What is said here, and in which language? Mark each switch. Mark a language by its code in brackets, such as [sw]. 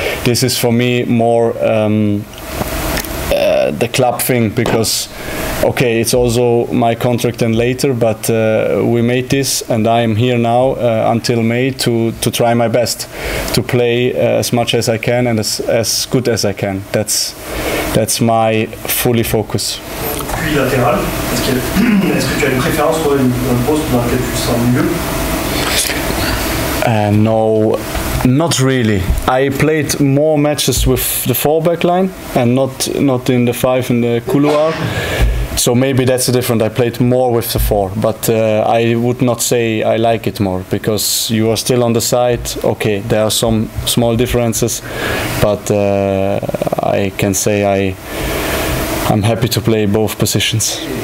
[en] This is for me more the club thing, because okay, it's also my contract and later, but we made this, and I am here now until May to try my best to play as much as I can and as good as I can. That's my fully focus. [fr] Puis latéral, est-ce que tu as une préférence pour un poste dans lequel tu seras mieux? [en] No, not really. I played more matches with the fullback line and not in the five in the couloir. So maybe that's the difference. I played more with the four, but I would not say I like it more, because you are still on the side. Okay, there are some small differences, but I can say I'm happy to play both positions.